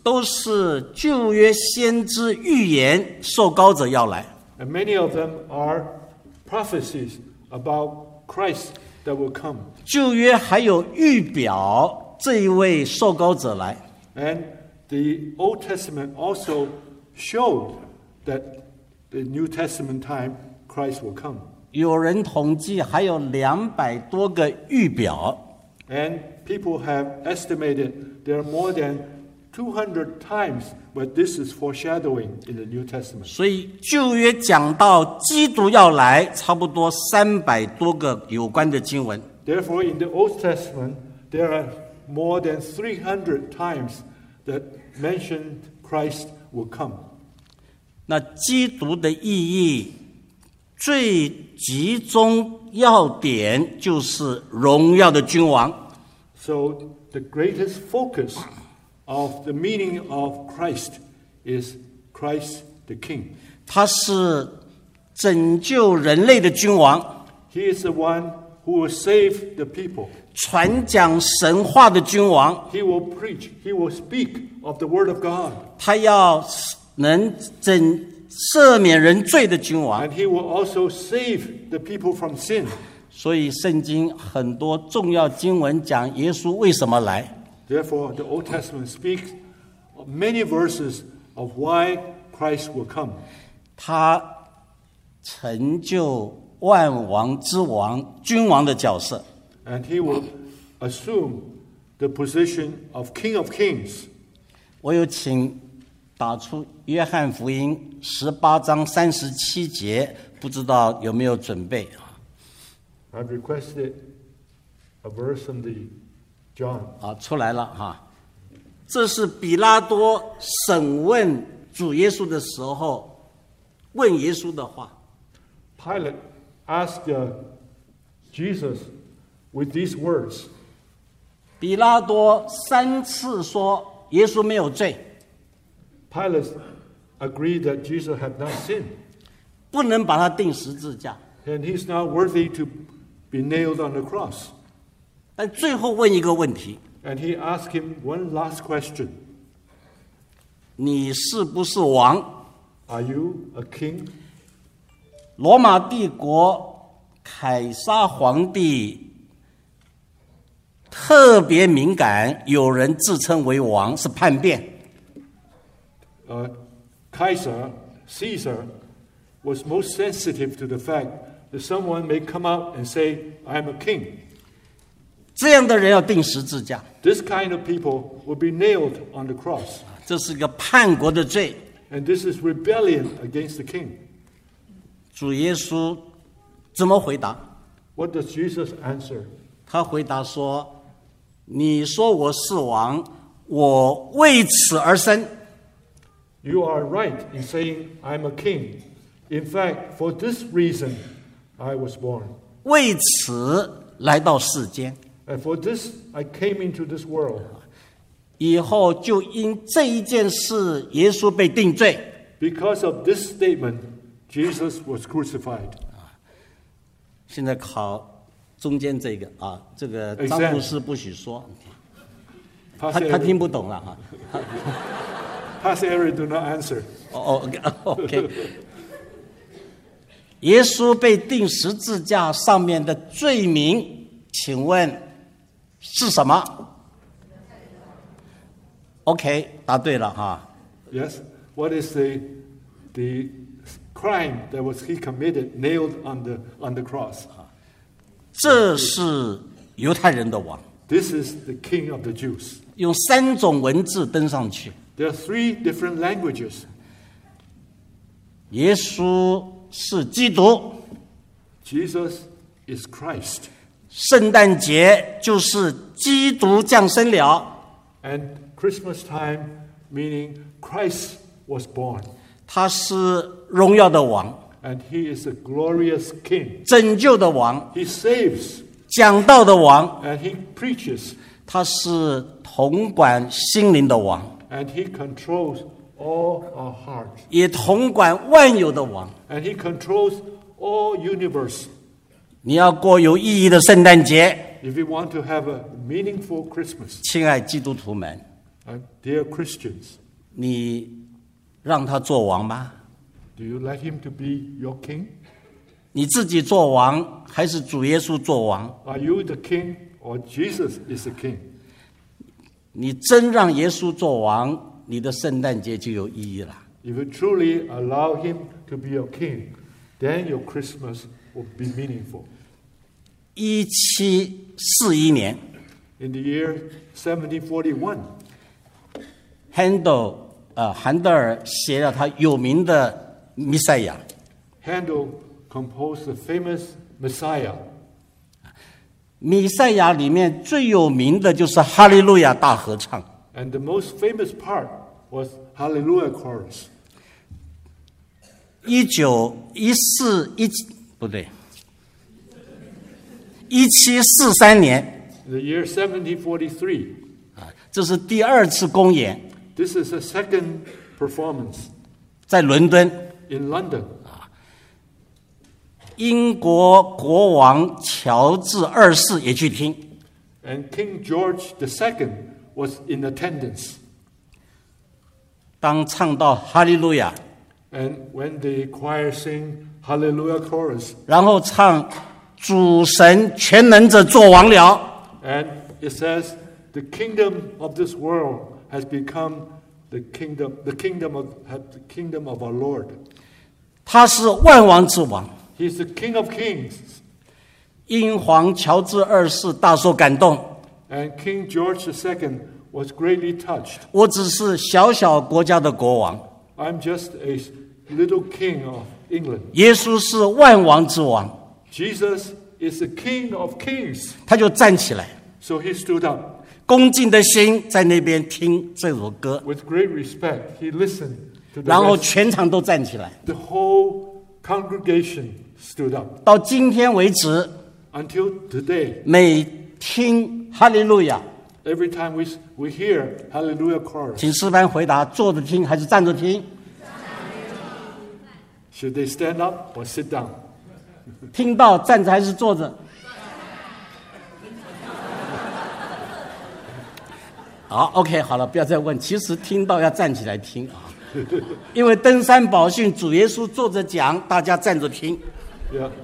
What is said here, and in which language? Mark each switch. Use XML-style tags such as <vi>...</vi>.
<zh>都是旧约先知预言受膏者要来。</zh> <en>And many of them are prophecies about Christ that will come.</en> <zh>旧约还有预表这一位受膏者来。</zh> <en>And the Old Testament also showed that the New Testament time Christ will come.</en> <zh>有人统计还有200多个预表。</zh> <en>And people have estimated there are more than 200 times, but this is foreshadowing in the New Testament.</en> <zh>所以旧约讲到基督要来，差不多300多个有关的经文。</zh> <en>Therefore, in the Old Testament, there are more than 300 times that mentioned Christ will come.</en> <zh>那基督的意义最集中要点就是荣耀的君王。</zh> <en>So the greatest focus. Of the meaning of Christ is Christ the King.</en> <zh>他是拯救人类的君王。</zh> <en>He is the one who will save the people.</en> <zh>传讲神话的君王。</zh> <en>He will preach, he will speak of the word of God.</en> <zh>他要能拯赦免人罪的君王。</zh> <en>And he will also save the people from sin.</en> <zh>所以圣经很多重要经文讲耶稣为什么来。</zh> <en>Therefore, the Old Testament speaks many verses of why Christ will come.</en> <zh>他成就万王之王、君王的角色。</zh> <en>And he will assume the position of King of Kings.</en> <zh>我有请打出约翰福音18:37，不知道有没有准备。</zh> <en>I've requested a verse from the John.</en> <zh>啊，出来了哈！这是比拉多审问主耶稣的时候问耶稣的话。</zh> <en>Pilate asked Jesus with these words.</en> <zh>比拉多三次说耶稣没有罪。</zh> <en>Pilate agreed that Jesus had not sinned.</en> <zh>不能把他钉十字架。</zh> <en>And he's not worthy to be nailed on the cross.</en> <zh>但最后问一个问题。</zh> <en>And he asked him one last question.</en> <zh>你是不是王？</zh> <en>Are you a king?</en> <zh>罗马帝国凯撒皇帝特别敏感，有人自称为王是叛变。</zh> <en>Kaiser, Caesar was most sensitive to the fact that someone may come out and say, I'm a king.</en> <zh>这样的人要钉十字架。</zh> <en>This kind of people will be nailed on the cross.</en> <zh>这是一个叛国的罪。</zh> <en>And this is rebellion against the king.</en> <zh>主耶稣怎么回答？</zh> <en>What does Jesus answer?</en> <zh>他回答说，你说我是王，我为此而生。</zh> <en>You are right in saying I'm a king. In fact, for this reason, I was born.</en> <zh>为此来到世间。</zh> <en>And for this, I came into this world.</en> <zh>以后就因这一件事，耶稣被定罪。</zh> <en>Because of this statement, Jesus was crucified.</en> <zh>现在考中间这个啊，这个张牧师不许说。他听不懂了哈。</zh> <en>Pass Eric, do not answer. Oh, okay.</en> <zh>耶稣被钉十字架上面的罪名，请问是什么 ？Okay, 答对了哈。</zh> <en>Yes, what is the crime that was he committed nailed on the cross?</en> <zh>这是犹太人的王。</zh> <en>This is the king of the Jews.</en> <zh>用三种文字登上去。</zh> <en>There are three different languages.</en> <zh>耶稣是基督。</zh> <en>Jesus is Christ.</en> <zh>圣诞节就是基督降生了。</zh> <en>And Christmas time meaning Christ was born.</en> <zh>他是荣耀的王。</zh> <en>And he is a glorious king.</en> <zh>拯救的王。</zh> <en>He saves.</en> <zh>讲道的王。</zh> <en>And he preaches.</en> <zh>他是统管心灵的王。</zh> <en>And he controls all our hearts.</en> <zh>也统管万有的王。</zh> <en>And he controls all universe.</en> <zh>你要过有意义的圣诞节。</zh> <en>If you want to have a meaningful Christmas.</en> <zh>亲爱基督徒们。</zh> <en>Dear Christians.</en> <zh>你让他做王吗？</zh> <en>Do you let him to be your king?</en> <zh>你自己做王还是主耶稣做王？</zh> <en>Are you the king or Jesus is the king?</en> <zh>你真让耶稣做王，你的圣诞节就有意义了。</zh> <en>If you truly allow him to be your king, then your Christmas will be meaningful.</en> <zh>1741年</zh> <en>，In the year 1741,</en> <zh>Handel 写了他有名的弥赛亚。</zh> <en>Handel composed the famous Messiah.</en> <zh>弥赛亚里面最有名的就是哈利路亚大合唱。</zh> <en>And the most famous part was Hallelujah Chorus.</en> <zh>1743年。</zh> <en>The year 1743.</en> <zh>这是第二次公演。</zh> <en>This is a second performance.</en> <zh>在伦敦。</zh> <en>In London.</en> <zh>英国国王乔治二世也去听。</zh> <en>And King George the Second was in attendance.</en> <zh>当唱到哈利路亚。</zh> <en>And when the choir sing Hallelujah Chorus.</en> <zh>然后唱主神全能者做王了。</zh> <en>And it says the kingdom of this world has become the kingdom of our Lord.</en> <zh>他是万王之王。</zh> <en>He's the King of Kings.</en> <zh>英皇乔治二世大受感动。</zh> <en>And King George the Second was greatly touched.</en> <zh>我只是小小国家的国王。</zh> <en>I'm just a little king of England.</en> <zh>耶稣是万王之王。</zh> <en>Jesus is the King of Kings.</en> <zh>他就站起来。</zh> <en>So he stood up.</en> <zh>恭敬的心在那边听这首歌。</zh> <en>With great respect, he listened to the rest.</en> <zh>然后全场都站起来。</zh> <en>The whole congregation stood up.</en> <zh>到今天为止</zh> <en>until today,</en> <zh>每听哈利路亚</zh> <en>every time we hear Hallelujah chorus,</en> <zh>请诗班回答坐着听还是站着听</zh> <en>should they stand up or sit down?</en> <zh>听到站着还是坐着好 OK 好了不要再问其实听到要站起来听因为登山宝训主耶稣坐着讲大家站着听、</zh> <en>yeah.</en>